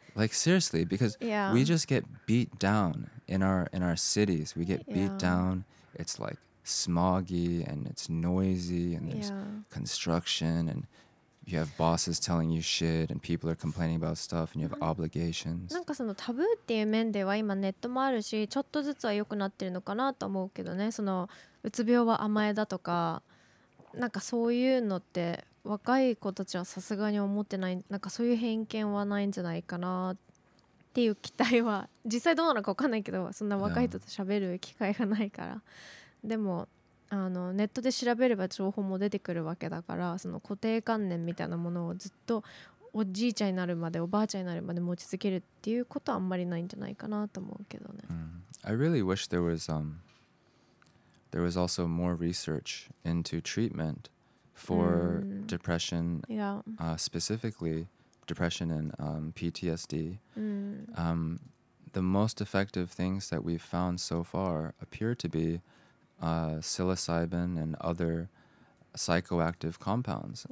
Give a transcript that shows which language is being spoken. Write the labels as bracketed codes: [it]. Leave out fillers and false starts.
[en] Like seriously, because we just get beat down in our cities. We get beat down. It's like smoggy and it's noisy and there's construction and you have bosses telling you shit and people are complaining about stuff and you have obligations. [ja] なんかそのタブーっていう面では今ネットもあるし、ちょっとずつは良くなってるのかなと思うけどね。そのうつ病は甘えだとか、なんかそういうのって若い子たちはさすがに思ってない、なんかそういう偏見はないんじゃないかなっていう期待は、実際どうなのか分かんないけど、そんな若い人と喋る機会がないから。でもあのネットで調べれば情報も出てくるわけだから、その固定観念みたいなものをずっとおじいちゃんになるまでおばあちゃんになるまで持ち続けるっていうことはあんまりないんじゃないかなと思うけどね。 [en] I really wish there was also more research into treatment for depression, specifically depression and PTSD. The most effective things that we've found so far appear to be psilocybin and other psychoactive compounds.